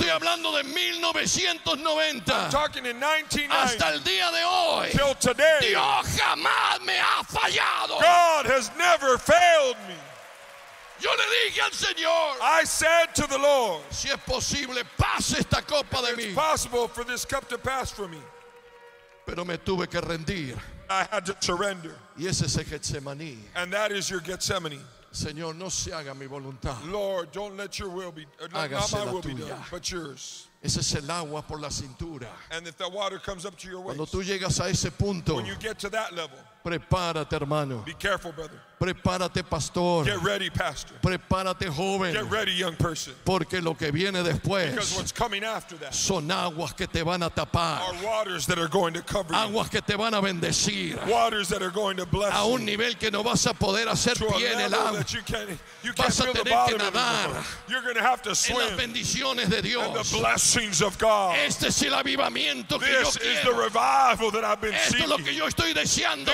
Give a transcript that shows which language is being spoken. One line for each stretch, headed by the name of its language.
Spanish: Estoy hablando de 1990.
English: I'm talking in 1990.
Spanish: Hasta el día de hoy.
English: Till today.
Spanish: Dios jamás me ha fallado.
English: God has never failed. Me.
Spanish: Yo le dije al Señor,
English: I said to the Lord,
Spanish: si es posible, pase esta copa de mí.
English: It's possible for this cup to pass for me.
Spanish: Pero me tuve que rendir.
English: I had to surrender.
Spanish: Y ese es el Getsemaní.
English: And that is your Getsemaní.
Spanish: Señor, no se haga mi voluntad.
English: Lord, don't let your will be
Spanish: hágase
English: not my will
Spanish: tuya.
English: Be done, but yours.
Spanish: Ese es el agua por la cintura.
English: And if the water comes up to your waist.
Spanish: Cuando tú llegas a ese punto,
English: when you get to that level,
Spanish: prepárate, hermano.
English: Be careful, brother.
Spanish: Prepárate, pastor.
English: Get ready, pastor.
Spanish: Prepárate, joven.
English: Get ready, young person.
Spanish: Porque lo que viene después,
English: because what's coming after that,
Spanish: son aguas que te van a tapar.
English: Are waters that are going to cover you.
Spanish: Aguas que te van a bendecir.
English: Waters that are going to bless you.
Spanish: A un nivel que no vas a poder hacer pie en el agua.
English: You can't
Spanish: vas a tener que nadar.
English: You're going to have to swim.
Spanish: En las bendiciones de Dios.
English: And the blessings of God.
Spanish: Este es el avivamiento que yo quiero.
English: This is the revival that I've been
Spanish: esto
English: seeking.
Spanish: Esto es lo que yo estoy deseando